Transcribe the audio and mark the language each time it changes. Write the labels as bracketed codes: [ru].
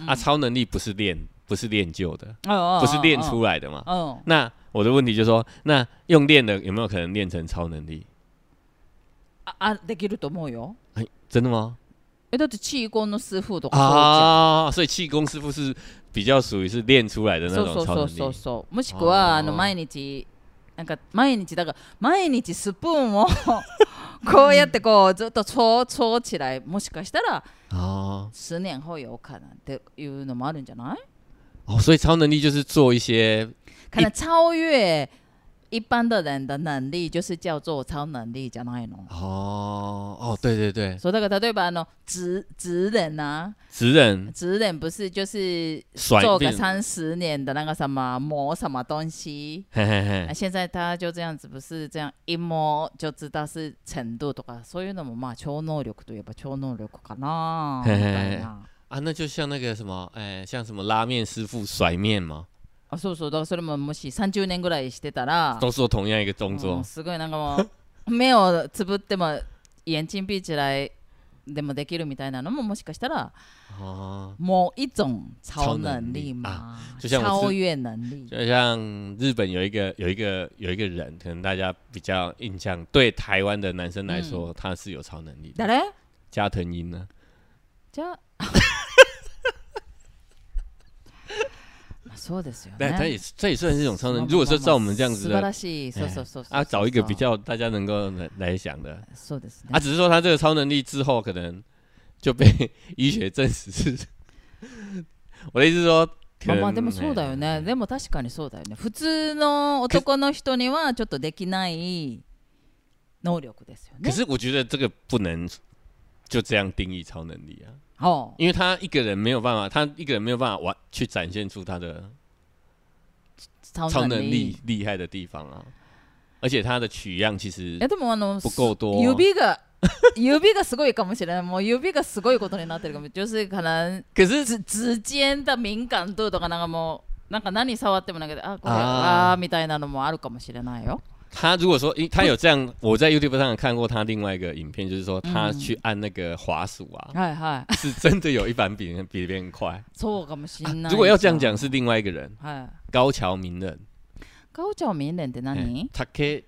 [zh] 啊，超能力不是练就的，不是练出来的嘛，那我的问题就是说，那用练的有没有可能练成超能力？ [ja] 啊，できると思うよ。 [zh] 哎，真的吗？哎、欸，都是气功的师傅都啊，所以气功师傅是比较属于是练出来的那种超能力。 [ja] そう。もしくは、哦、あの毎日なんか毎日だから毎日スプーンをこうやってこうずっと [zh] 戳起来、 [ja] もしかしたら、 [zh] 哦、数年后有可能 [ja] っていうのもあるんじゃない？ [zh] 哦，所以超能力就是做一些可能超越一般的人的能力，就是叫做超能力， [ja] じゃないの？ [zh] 哦哦，对对对。所以那个他对吧？那职人啊，职人，职人不是就是做个三十年的那个什么磨什么东西？嘿嘿嘿。现在他就这样子，不是这样一摸就知道是程度 [ja] とか、そういうのもまあ超能力といえば超能力かな。 [zh] 嘿嘿嘿。啊，那就像那个什么，哎，像什么拉面师傅甩面吗？ [ja] あ、そうそう、だからそれももし30年ぐらいしてたら、 [zh] 都是同样一个动作、 [ja] うん、すごいなんかもう目をつぶっても [zh] 眼睛闭起来 [ja] でもできるみたいなのももしかしたら、もう [zh] 一种超能力嘛、 [ja] 超能力、 [zh] 超越能力。就像日本有一个人，可能大家比较印象，对台湾的男生来说，他是有超能力的。 [ja] 誰？ [zh] 加藤鹰呢？加。 [ja] そうですよね。 [zh] 但他也算是一种超能力。如果说照我们这样子的， [ja] 素晴らしい、そうそうそう。 [zh] 啊，找一个比较大家能够来想的。 [ja] そうですね。 [zh] 啊，只是说他这个超能力之后可能就被医学证实是。我的意思是说， [ja] まあでもそうだよね。でも確かにそうだよね。普通の男の人にはちょっとできない能力ですよね。 [zh] 可是我觉得这个不能就这样定义超能力啊。哦、因为他一个人没有办法，他一个人没有办法玩去展现出他的超能力厉害的地方啊，而且他的取样其实 [ja] 哎，でもあの [zh] 不够多， [ja] 指がすごいかもしれない、もう指がすごいことになってるかも、 [zh] 就是可能可是指尖的敏感度 [ja] とかなんかもうなんか何触ってもなんかあこれ あみたいなのもあるかもしれないよ。 [zh] 他如果说他有这样，我在 YouTube 上看过他另外一个影片，就是说他去按那个滑鼠啊，是真的有一版比别人快。 [ja] そうかもしれない。 [zh] 如果要这样讲，是另外一个人，高桥名人。 [ja] 高桥名人って何？